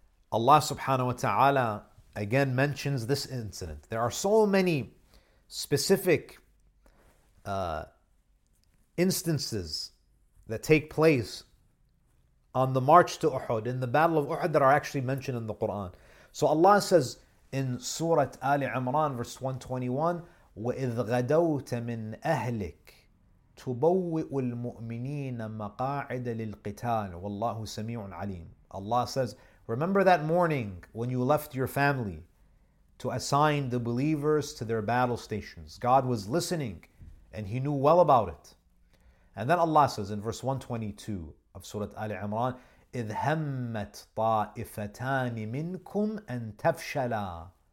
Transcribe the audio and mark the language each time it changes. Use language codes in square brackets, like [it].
[en] Allah subhanahu wa ta'ala again mentions this incident. There are so many specific instances that take place on the march to Uhud, in the battle of Uhud, that are actually mentioned in the Quran. So Allah says in Surah Ali Imran, verse 121, [ar] وَإِذْ غَدَوْتَ مِنْ أَهْلِكَ تُبَوِّئُ الْمُؤْمِنِينَ مَقَاعِدَ لِلْقِتَالِ وَاللَّهُ سَمِيعٌ عَلِيمٌ. [en] Allah says, remember that morning when you left your family to assign the believers to their battle stations. God was listening and He knew well about it. And then Allah says in verse 122 of Surah Ali Imran, [ar] إِذْ هَمَّتْ طَائِفَتَانِ مِنْكُمْ أَنْ تَفْشَلَا.